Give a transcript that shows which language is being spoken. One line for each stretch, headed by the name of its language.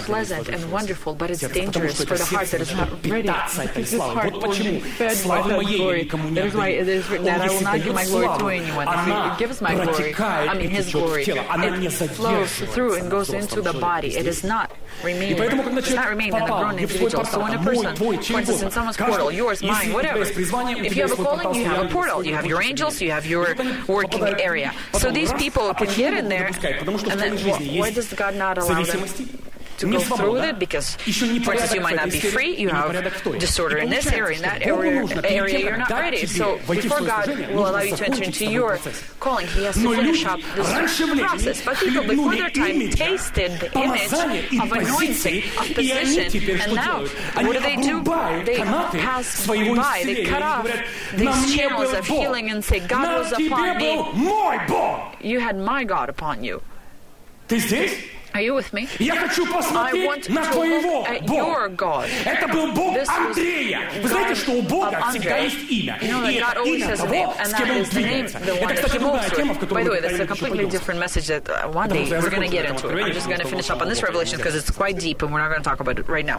English: Pleasant and wonderful, but it's dangerous for the heart that is not ready.
Russian: Вот почему слава моей никому не отдаю.
English: That is why it is written that I will not give my glory to anyone. He gives my glory. I mean his glory. It flows through and goes into the body. It is not remaining. It does not remain in the grown individual. So when a person enters in someone's portal, yours, mine, whatever. If you have a calling, you have a portal. You have your angels. You have your working area. So these people can get in there, and then why does God not allow them to go through with it? Because for instance, you might not be free, you have disorder in this area, in that area, you're not ready. So before God will allow you to enter into your calling, he has to finish up this process. But people before their time tasted the image of anointing, of position, and now what do they do? They pass by, they cut off these channels of healing and say, God was upon me. You had my God upon you.
Russian: Ты здесь?
English: Are you with me?
Russian: Я хочу посмотреть на твоего Бога. Это был Бог Андрея. Вы знаете, что у Бога всегда есть имя. И это имя того, с кем он двигается. Это, кстати, другая тема, в которую мы говорили.
English: By the way, that's a completely different message that one day we're going to get into. I'm just going to finish up on this revelation because it's quite deep and we're not going to talk about it right now.